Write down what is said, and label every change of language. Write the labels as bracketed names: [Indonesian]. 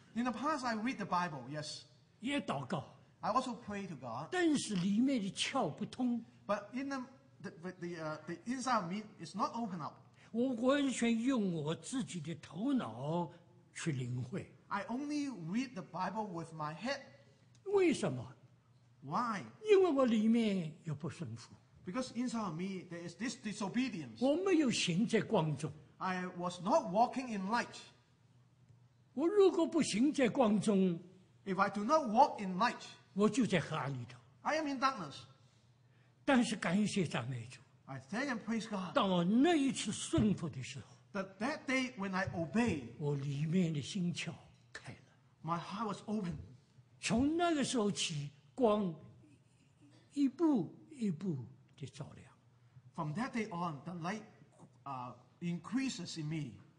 [English] In the past, I read the Bible, yes. [Chinese] 也祷告。 [English] I also pray to God. [Chinese] 但是里面的窍不通。 [English] But in the inside of me is not open up. [Chinese] 我完全用我自己的头脑去领会。 [English] I only read the Bible with my head. [Chinese] 为什么？ [English] Why? [Chinese] 因为我里面有不顺服。 [English] Because inside of me, there is this disobedience. [Chinese] 我没有行在光中。 [English] I was not walking in light. [Chinese] 我如果不行在光中, [English] if I do not walk in light, [Chinese] 我就在黑暗里头。 [English] I am in darkness. [Chinese] 但是感谢赞美主。 [English] I thank and praise God. [Chinese] 当我那一次顺服的时候, [English] that day when I obey, [Chinese] 我里面的心窍开了。 [English] My heart was open. [Chinese] 从那个时候起, 光一步一步的照亮。 [English] From that day on, the light increases in me.